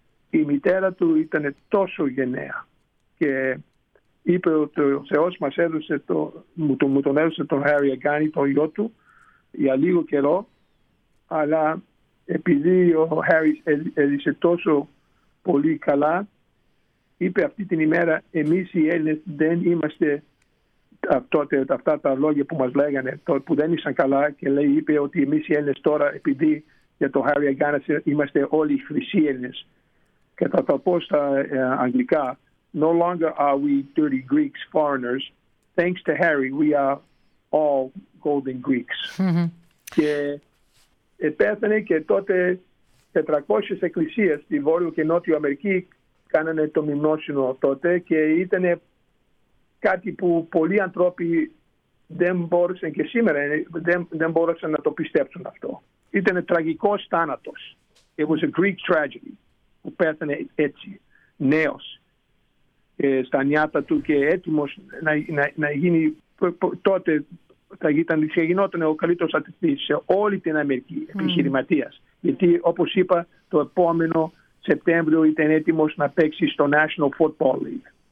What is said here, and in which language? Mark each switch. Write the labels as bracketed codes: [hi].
[el] Η μητέρα του ήταν τόσο γενναία και είπε ότι ο Θεός μας έδωσε μου τον έδωσε τον Χάρι Αγκάνη, τον γιο του, για λίγο καιρό, αλλά επειδή ο Χάρι έζησε τόσο πολύ καλά, είπε αυτή την ημέρα, εμείς οι Έλληνες δεν είμαστε τότε, αυτά τα λόγια που μας λέγανε, που δεν ήσαν καλά, και λέει, είπε ότι εμείς οι Έλληνες τώρα, επειδή για τον Χάρι Αγκάνη είμαστε όλοι χρυσοί Έλληνες, και θα το πω στα αγγλικά, [en] no longer are we dirty Greeks, foreigners. Thanks to Harry, we are all golden Greeks. [el] Και επέθανε και τότε 400 εκκλησίες στη Βόρειο και Νότιο Αμερική κάνανε το μνημόσυνο τότε και ήταν κάτι που πολλοί ανθρώποι δεν μπόρεσαν και σήμερα δεν μπόρεσαν να το πιστέψουν αυτό. Ήταν τραγικός θάνατος. [en] It was a Greek tragedy [el] που πέθανε έτσι, νέος. Στα νιάτα του και έτοιμος να γίνει τότε θα γινόταν ο καλύτερος αθλητής σε όλη την Αμερική επιχειρηματίας. Γιατί όπως είπα το επόμενο Σεπτέμβριο ήταν έτοιμος να παίξει στο National Football League.